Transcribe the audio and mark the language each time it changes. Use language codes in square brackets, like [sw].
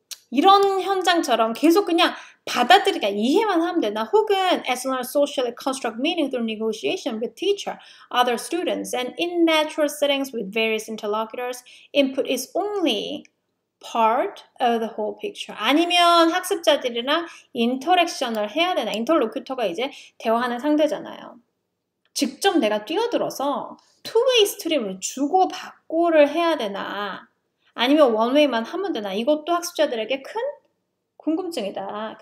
[ko] 이런 현장처럼 계속 그냥 받아들이기 이해만 하면 되나? [en] 혹은 as long as socially construct meaning through negotiation with teacher, other students, and in natural settings with various interlocutors, input is only part of the whole picture. [ko] 아니면 학습자들이랑 인터랙션을 해야 되나? 인터로큐터가 이제 대화하는 상대잖아요. 직접 내가 뛰어들어서 two-way stream을 주고받고를 해야 되나? 아니면 원웨이만 하면 되나? 이것도 학습자들에게 큰 궁금증이다.